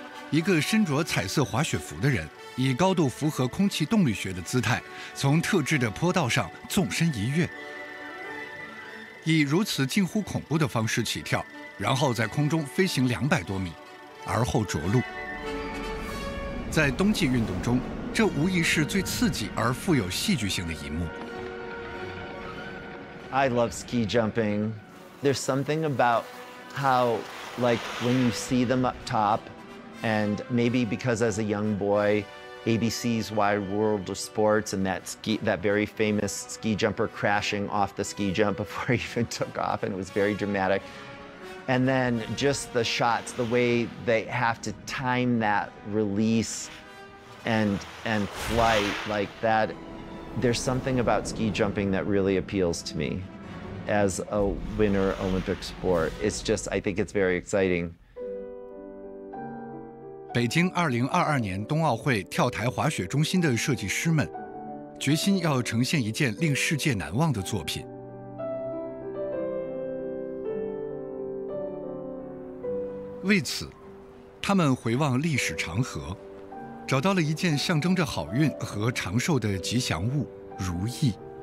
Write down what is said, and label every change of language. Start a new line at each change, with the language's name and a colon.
Chinese: 一个身着彩色滑雪服的人，以高度符合空气动力学的姿态，从特制的坡道上纵身一跃，以如此近乎恐怖的方式起跳，然后在空中飞行200多米，而后着陆。在冬季运动中，这无疑是最刺激而富有戏剧性的一幕。
English: I love ski jumping. There's something about how, like, when you see them up top, and maybe because as a young boy, ABC's Wide World of Sports and that very famous ski jumper crashing off the ski jump before he even took off, and it was very dramatic. And then just the shots, the way they have to time that release and flight like that, there's something about ski jumping that really appeals to me as a winter Olympic sport. It's just, I think it's very exciting.
Chinese: 北京2022年冬奥会跳台滑雪中心的设计师们决心要呈现一件令世界难忘的作品。为此，他们回望历史长河，找到了一件象征着好运和长寿的吉祥物——如意。